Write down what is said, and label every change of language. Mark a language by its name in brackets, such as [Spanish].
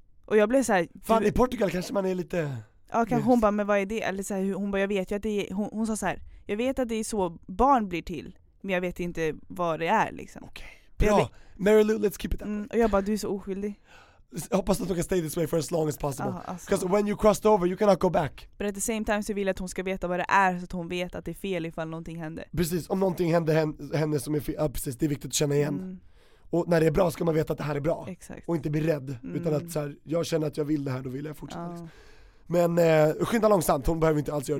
[Swedish] Och jag blev så här, fan, i Portugal kanske man är lite... Ja, okay, hon bara, men vad är det? Eller så här, hon bara, jag vet ju att det är... Hon sa så här, jag vet att det är så barn blir till. Men jag vet inte vad det är liksom. Okej, bra. [English] Mary Lou, let's keep it up. [Swedish] Och jag bara, du är så oskyldig. Jag hoppas att du kan [English] stay this way for as long as possible. Because when you crossed over, you cannot go back. But at the same time [Swedish] så vill jag att hon ska veta vad det är, så att hon vet att det är fel ifall någonting händer. Precis, om någonting händer henne som är fel. Ja, precis, det är viktigt att känna igen. Och när det är bra ska man veta att det här är bra. Exakt. Och inte bli rädd. Utan att så här, jag känner att jag vill det här, då vill jag fortsätta. Liksom. Men skynda långsamt, hon behöver inte alls göra